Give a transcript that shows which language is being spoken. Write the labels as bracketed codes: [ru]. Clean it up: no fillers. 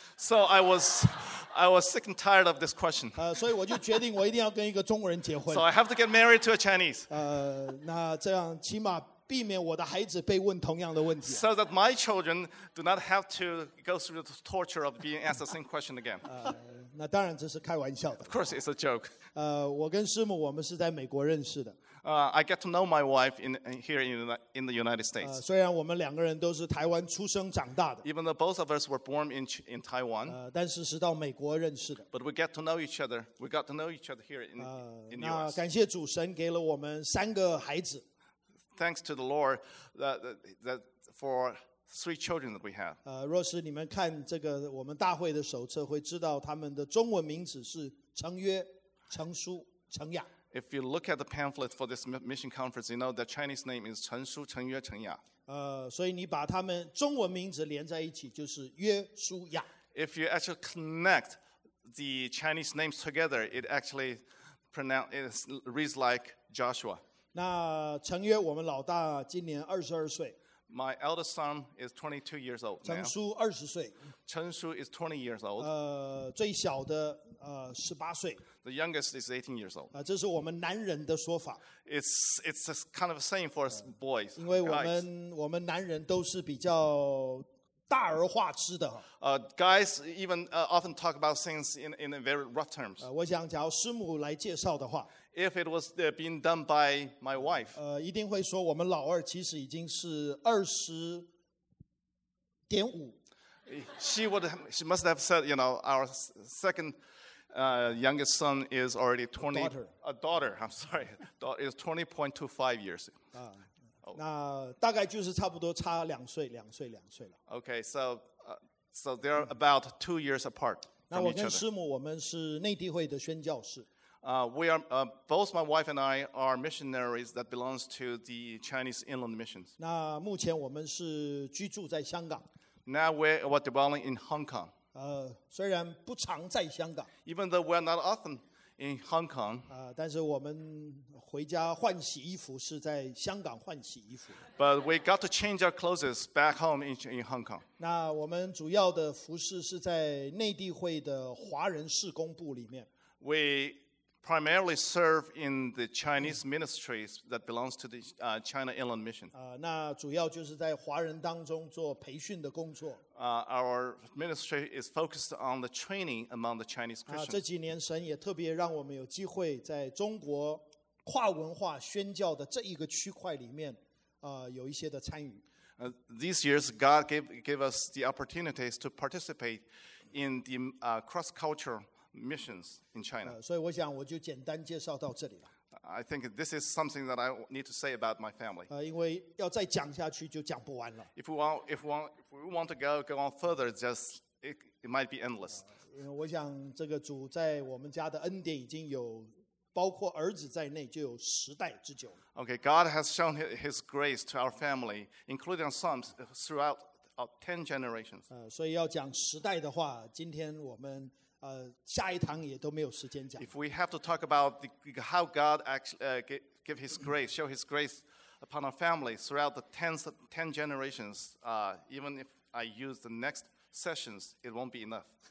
[en] So I was sick and tired of this question. [zh] 所以我就决定我一定要跟一个中国人结婚。 [en] So I have to get married to a Chinese. [zh] 那这样起码避免我的孩子被问同样的问题。 [en] So that my children do not have to go through the torture of being asked the same question again. [zh] 那当然这是开玩笑的。 [en] Of course, it's a joke. [zh] 我跟师母我们是在美国认识的。 [en] I get to know my wife here in the United States. [zh] 虽然我们两个人都是台湾出生长大的。 [en] Even though both of us were born in Taiwan. [zh] 但是是到美国认识的。 [en] But we get to know each other. We got to know each other here in the US. [zh] 感谢主神给了我们三个孩子。 [en] Thanks to the Lord that for three children that we have. [zh] 若是你们看这个我们大会的手册，会知道他们的中文名字是成约、成书、成雅。 [en] If you look at the pamphlet for this mission conference, you know the Chinese name is 成书、成约、成雅。 [zh] 所以你把他们中文名字连在一起，就是约书亚。 [en] If you actually connect the Chinese names together, it reads like Joshua. [zh] 那成约，我们老大今年22岁。 [en] My eldest son is 22 years old. [zh] 成书20岁。 [en] 成书 is 20 years old. [zh] 最小的18岁。 [en] The youngest is 18 years old. [zh] 这是我们男人的说法。 [en] It's kind of same for boys. [zh] 因为我们男人都是比较大而化之的。 [en] Guys even often talk about things in very rough terms. [zh] 我想假如师母来介绍的话。 [en] If it was being done by my wife. [zh] 一定会说我们老二其实已经是20.5。 [en] She must have said, you know, our second youngest son is already 20. A daughter, I'm sorry, is 20.25 years. [zh] 那大概就是差不多差两岁了。 [en] Okay, so they're about 2 years apart. [zh] 那我跟师母，我们是内地会的宣教士。 [en] Both my wife and I are missionaries that belongs to the Chinese Inland Missions. [zh] 那目前我们是居住在香港。 [en] Now we're dwelling in Hong Kong. [zh] 虽然不常在香港。 [en] Even though we're not often in Hong Kong. [zh] 但是我们回家换洗衣服是在香港换洗衣服。 [en] But we got to change our clothes back home in Hong Kong. [zh] 那我们主要的服事是在内地会的华人事工部里面。 [en] We primarily serve in the Chinese ministries that belongs to the China Inland Mission. [zh] 那主要就是在华人当中做培训的工作。 [en] Our ministry is focused on the training among the Chinese Christians. [zh] 这几年神也特别让我们有机会在中国跨文化宣教的这一个区块里面，有一些的参与。 [en] These years, God gave us the opportunities to participate in the cross-cultural missions in China. [zh] 所以我想我就简单介绍到这里了。 [en] I think this is something that I need to say about my family. [zh] 因为要再讲下去就讲不完了。 [en] If we want to go on further, just it might be endless. [zh] 我想这个主在我们家的恩典已经有包括儿子在内就有十代之久。 [en] Okay, God has shown His grace to our family, including sons, throughout our 10 generations. [zh] 所以要讲十代的话，今天我们下一堂也都没有时间讲。 [en] If we have to talk about how God actually give His grace, show His grace upon our family throughout the ten generations, even if I use the next sessions, it won't be enough.